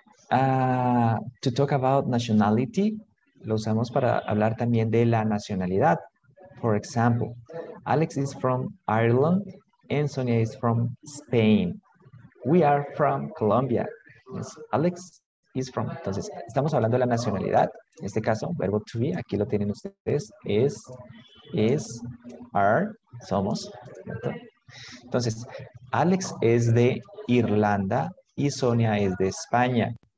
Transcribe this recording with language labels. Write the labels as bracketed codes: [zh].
[en] To talk about nationality, [es] lo usamos para hablar también de la nacionalidad. [en] For example, Alex is from Ireland and Sonia is from Spain. We are from Colombia. Yes, Alex is from. [es] Entonces, estamos hablando de la nacionalidad. En este caso, verbo to be, aquí lo tienen ustedes, is, are, somos. Entonces, Alex es de Irlanda y Sonia es de España.